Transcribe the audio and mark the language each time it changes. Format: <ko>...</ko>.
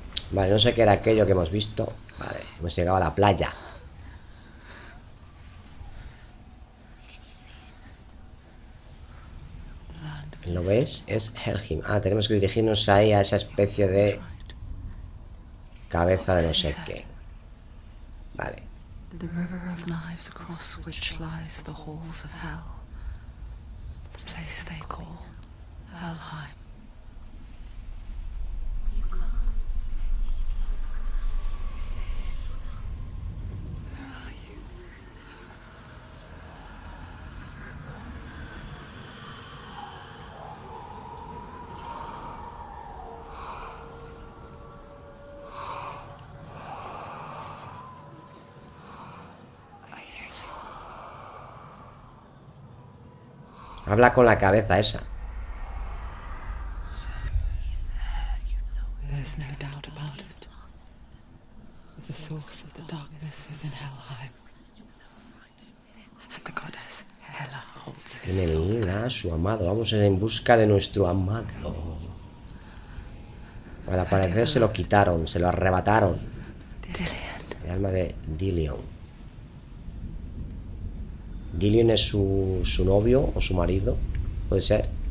<es>Vale, no sé qué era aquello que hemos visto. Vale, hemos llegado a la playa. ¿Lo ves? Es Helheim. Ah, tenemos que dirigirnos ahí a esa especie de cabeza de no sé qué. Vale.</es> <en>The river of knives across which lies the halls of hell. The place they call Helheim.</en> <es>Habla con la cabeza esa.</es> <en>There's no doubt about it. The source of the darkness is in Helheim. And the goddess Hela holds it.</en> <es>Tiene Hela, su amado. Vamos a ir en busca de nuestro amado. Al parecer se lo quitaron, se lo arrebataron. El alma de Dillion. Dillion es su novio o su marido, puede ser.</es>